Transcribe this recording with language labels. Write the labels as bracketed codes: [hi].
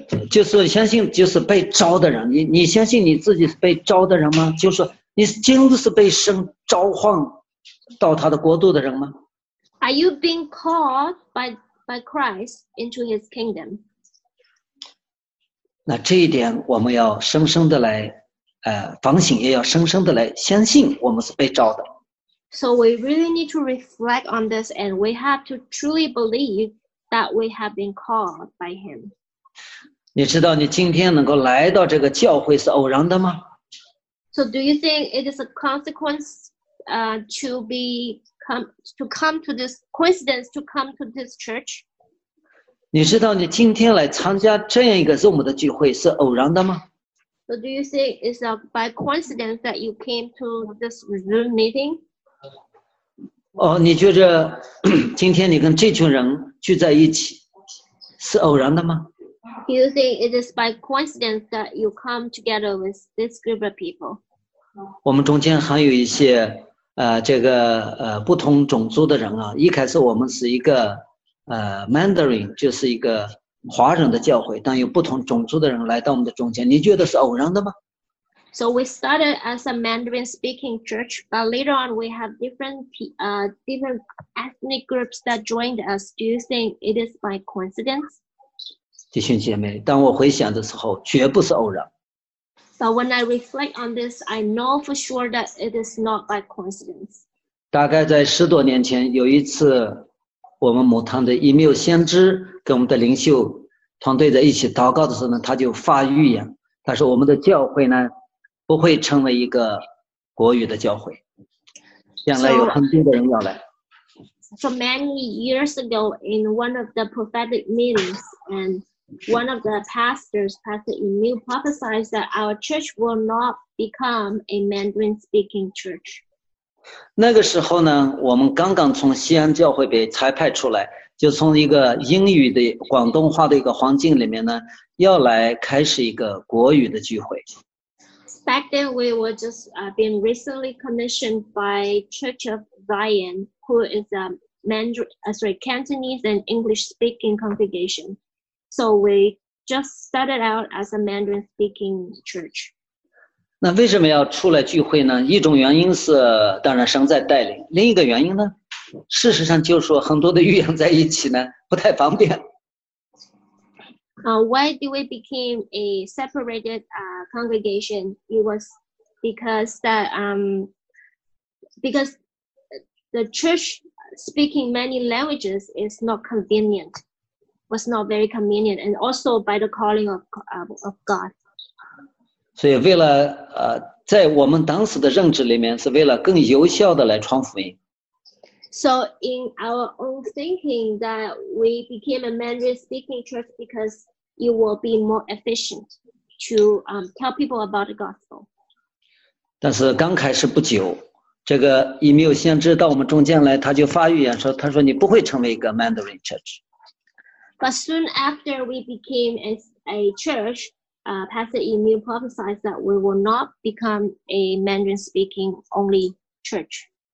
[zh] 就是相信就是被招的人。你相信你自己是被招的人吗？就是你真的是被神召唤到他的国度的人吗？ [en] Are you being called by Christ into His kingdom? [zh] 那这一点我们要深深的来反省，也要深深的来相信我们是被召的。 [en] So we really need to reflect on this, and we have to truly believe that we have been called by Him. [zh] 你知道你今天能够来到这个教会是偶然的吗？ [en] So do you think it is a consequence to be... To come to this church? [zh] 你知道你今天来参加这样一个Zoom的聚会是偶然的吗？ [en] So do you think it's by coincidence that you came to this Zoom meeting? [zh] 哦，你觉得今天你跟这群人聚在一起是偶然的吗？ [en] Do you think it is by coincidence that you come together with this group of people? [zh] 我们中间还有一些这个不同种族的人啊，一开始我们是一个Mandarin， 就是一个华人的教会，但有不同种族的人来到我们的中间，你觉得是偶然的吗？ [en] So we started as a Mandarin speaking church, but later on we have different ethnic groups that joined us. Do you think it is by coincidence? [zh] 弟兄姐妹，当我回想的时候，绝不是偶然。 [en] But when I reflect on this, I know for sure that it is not by coincidence. [zh] 大概在十多年前，有一次，我们母堂的 Emil 先知跟我们的领袖团队在一起祷告的时候呢，他就发预言，他说我们的教会呢不会成为一个国语的教会，将来有很多的人要来。 [en] So many years ago, in one of the prophetic meetings, andOne of the pastors, Pastor Emil, prophesied that our church will not become a Mandarin-speaking church. [zh] 那个时候呢，我们刚刚从西安教会被裁派出来，就从一个英语的广东话的一个环境里面呢，要来开始一个国语的聚会。 [en] Back then, we were just being recently commissioned by Church of Zion, who is a Cantonese and English-speaking congregation. So we just started out as a Mandarin-speaking church. [zh] 那为什么要出来聚会呢？一种原因是当然神在带领，另一个原因呢，事实上就是说很多的预言在一起呢不太方便。 [en] Why did we became a separated congregation? It was because that because the church speaking many languages is not convenient. Was not very convenient, and also by the calling of God. [zh] 所以为了在我们当时的认知里面，是为了更有效的来传福音。 [en] So in our own thinking, that we became a Mandarin-speaking church because it will be more efficient to tell people about the gospel. [zh] 但是刚开始不久，这个以缪先知到我们中间来，他就发预言说：“他说你不会成为一个 [en] Mandarin church。” But soon after we became a church, Pastor Emil prophesied that we will not become a Mandarin-speaking only church.